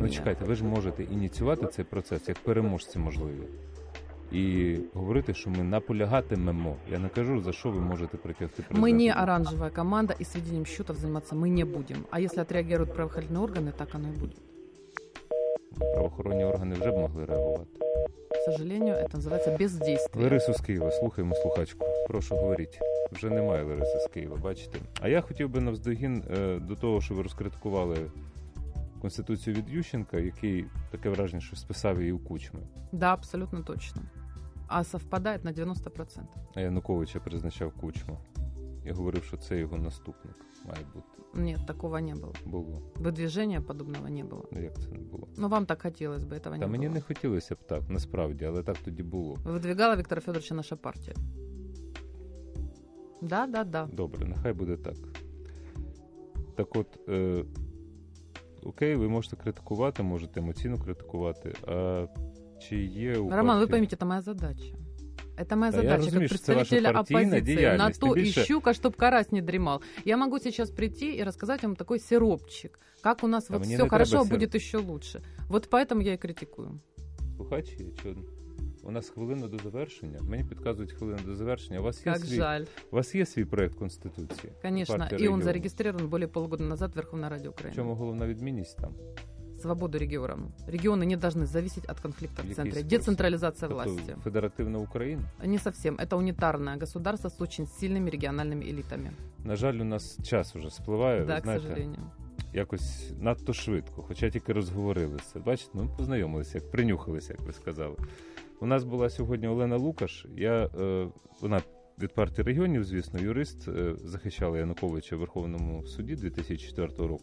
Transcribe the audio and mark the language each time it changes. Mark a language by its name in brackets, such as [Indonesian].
[Ukrainian] Ну, чекайте, ви ж можете ініціювати цей процес як переможці можливі. І говорити, що ми наполягатимемо. Я не кажу, за що ви можете притягти президента. Ми не оранжева команда і сведенням счетів займатися ми не будемо. А якщо відреагують правоохоронні органи, так воно і буде. Правоохоронні органи вже б могли реагувати. [Russian] К сожалению, это называется бездействие. [Ukrainian] Лариса з Києва, слухаємо слухачку. Прошу, говоріть. Вже немає Лариси з Києва, бачите. А я хотів би навздогін до того, що ви розкритикували Конституцію від Ющенка, який таке враження, що списав її у Кучми. [Russian] Да, абсолютно точно. А совпадає на 90%. [Ukrainian] А Януковича призначав Кучма. Я говорив, що це його наступник має бути. Ні, такого не було. Було. Видвіження подобного не було. Як це не було? Ну, вам так хотілося б, цього не було. Та мені не хотілося б так, насправді, але так тоді було. Видвігала Віктора Федоровича наша партія. Да, да, да. Добре, нехай буде так. Так от, окей, ви можете критикувати, можете емоційно критикувати, а чи є у Роман, партії... ви поймите, це моя задача. [Russian] Это моя задача, [Ukrainian] розумію, [Russian] как представителя оппозиции. На то [Ukrainian] більше... [Russian] и щука, чтобы карась не дремал. Я могу сейчас прийти и рассказать вам такой сиропчик, как у нас а вот все хорошо, а будет еще лучше. Вот поэтому я и критикую. [Ukrainian] Слухачи, у нас хвилина до завершення. Мені підказують хвилину до завершення. У вас [Russian] как [Ukrainian] є свій, [Russian] жаль. [Ukrainian] У вас є свій проект Конституції? [Russian] Конечно, [Ukrainian] і він [Russian] зарегистрирован более полугода назад в Верховной Раді України. [Ukrainian] В чому головна відмінність там? [Russian] Свободу регионам. Регионы не должны зависеть от конфликта в центре. Децентрализация власти. Федеративная Украина? Не совсем. Это унитарное государство с очень сильными региональными элитами. [Ukrainian] На жаль, у нас час уже спливає. [Russian] Да, знаете, к сожалению. [Ukrainian] Якось надто швидко, хоча тільки розговорилися. Бачите, ну, познайомилися, як принюхалися, як ви сказали. У нас була сьогодні Олена Лукаш. Вона від партії регіонів, звісно, юрист, захищала Януковича в Верховному суді 2004 року.